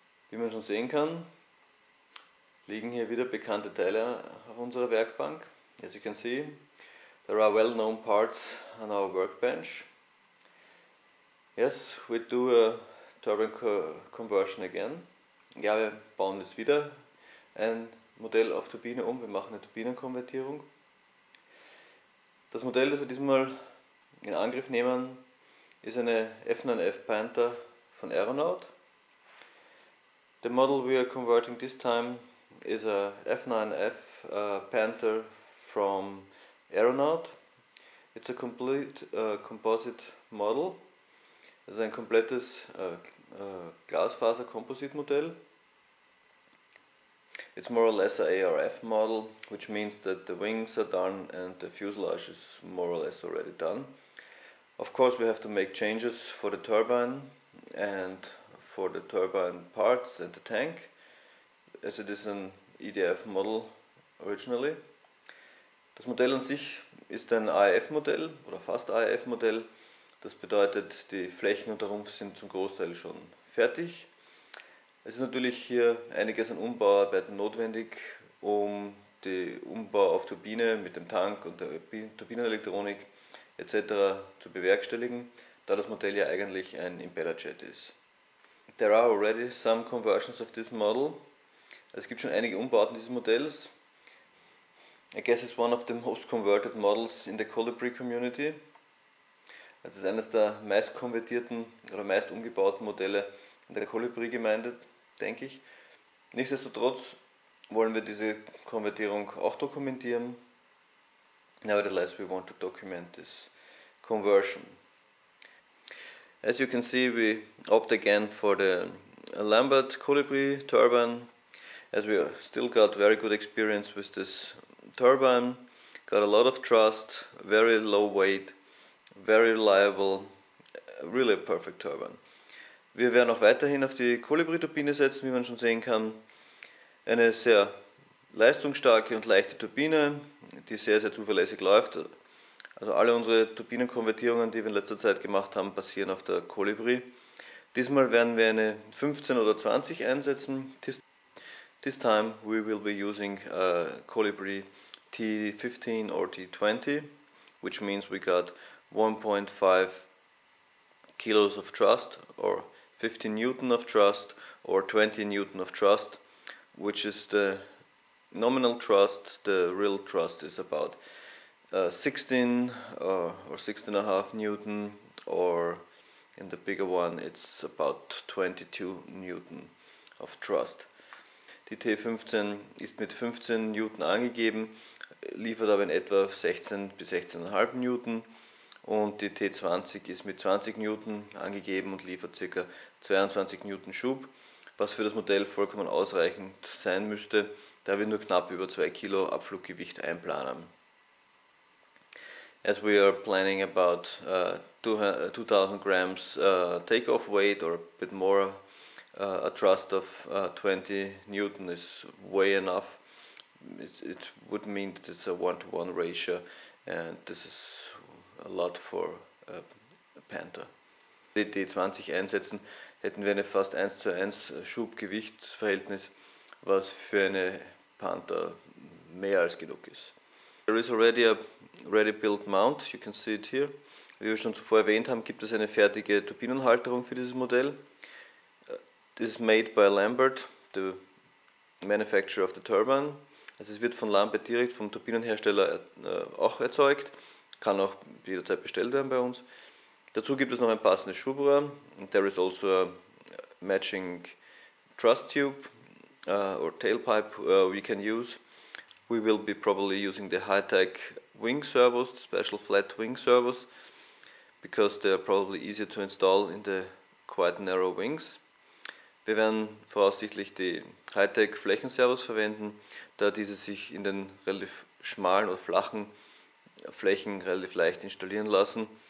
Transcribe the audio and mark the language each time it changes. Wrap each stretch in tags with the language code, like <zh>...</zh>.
<de>Wie man schon sehen kann, liegen hier wieder bekannte Teile auf unserer Werkbank.</de> <en>As you can see, there are well-known parts on our workbench. Yes, we do a turbine conversion again.</en> <de>Ja, wir bauen jetzt wieder ein Modell auf Turbine um. Wir machen eine Turbinenkonvertierung. Das Modell, das wir diesmal in Angriff nehmen, ist eine F9F Panther von Aeronaut.</de> <en>The model we are converting this time is a F9F Panther from Aeronaut. It's a complete composite model.</en> <de>Es ist ein komplettes Glasfaser-Composite-Modell.</de> <en>It's more or less an ARF model, which means that the wings are done and the fuselage is more or less already done. Of course, we have to make changes for the turbine and for the turbine parts and the tank, as it is an EDF model originally.</en> <de>Das Modell an sich ist ein AEF-Modell oder fast AEF-Modell. Das bedeutet, die Flächen und der Rumpf sind zum Großteil schon fertig. Es ist natürlich hier einiges an Umbauarbeiten notwendig, um den Umbau auf Turbine mit dem Tank und der Turbinenelektronik etc. zu bewerkstelligen, da das Modell ja eigentlich ein Impellerjet ist.</de> <en>There are already some conversions of this model.</en> <de>Es gibt schon einige Umbauten dieses Modells.</de> <en>I guess it's one of the most converted models in the Kolibri community.</en> <de>Es ist eines der meist konvertierten oder meist umgebauten Modelle in der Kolibri-Gemeinde, denke ich. Nichtsdestotrotz wollen wir diese Konvertierung auch dokumentieren.</de> <en>Nevertheless, we want to document this conversion. As you can see, we opt again for the Lambert Kolibri turbine, as we still got very good experience with this turbine, got a lot of trust, very low weight, very reliable, really a perfect turbine.</en> <de>Wir werden auch weiterhin auf die Kolibri-Turbine setzen, wie man schon sehen kann. Eine sehr leistungsstarke und leichte Turbine, die sehr, sehr zuverlässig läuft. Also alle unsere Turbinenkonvertierungen, die wir in letzter Zeit gemacht haben, basieren auf der Kolibri. Diesmal werden wir eine 15 oder 20 einsetzen.</de> <en>This time we will be using a Kolibri T15 or T20, which means we got 1.5 kilos of thrust or 15 newton of thrust or 20 newton of thrust, which is the nominal thrust. The real thrust is about 16 or 16.5 newton, or in the bigger one it's about 22 newton of thrust.</en> <de>Die T15 ist mit 15 newton angegeben, liefert aber in etwa 16 bis 16.5 newton. Und die T20 ist mit 20 Newton angegeben und liefert ca. 22 Newton Schub, was für das Modell vollkommen ausreichend sein müsste, da wir nur knapp über 2 Kilo Abfluggewicht einplanen.</de> <en>As we are planning about 2000 grams takeoff weight or a bit more, a thrust of 20 Newton is way enough. It would mean that it's a 1-to-1 ratio, and this is a lot for a Panther.</en> <de>Die T20 einsetzen, hätten wir eine fast 1:1 Schubgewichtsverhältnis, was für eine Panther mehr als genug ist.</de> <en>There is already a ready-built mount, you can see it here.</en> <de>Wie wir schon zuvor erwähnt haben, gibt es eine fertige Turbinenhalterung für dieses Modell.</de> <en>This is made by Lambert, the manufacturer of the turbine.</en> <de>Also es wird von Lambert direkt vom Turbinenhersteller auch erzeugt. Kann auch jederzeit bestellt werden bei uns. Dazu gibt es noch ein passendes Schubrohr.</de> <en>There is also a matching thrust tube or tailpipe we can use. We will be probably using the high-tech wing servos, the special flat wing servos, because they are probably easier to install in the quite narrow wings.</en> <de>Wir werden voraussichtlich die high-tech Flächenservos verwenden, da diese sich in den relativ schmalen oder flachen Flächen relativ leicht installieren lassen.</de>